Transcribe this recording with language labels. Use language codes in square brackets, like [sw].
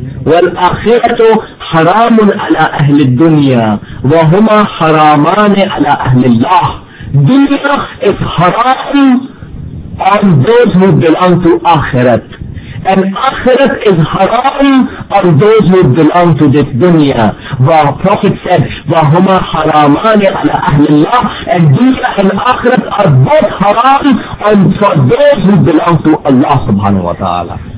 [ar] وَالْآخِرَةُ حَرَامٌ عَلَىٰ أَهْلِ الدُّنْيَا وَهُمَا حَرَامَانِ عَلَىٰ أَهْلِ اللَّهِ. [en] Dunya is haram on those who belong to Akhirat. And Akhirat is haram on those who belong to this dunya. The Prophet said, [ar] وَهُمَا حَرَامَانِ عَلَىٰ أَهْلِ اللَّهِ. [en] And Dunya and Akhirat are both haram on those who belong to Allah subhanahu wa ta'ala.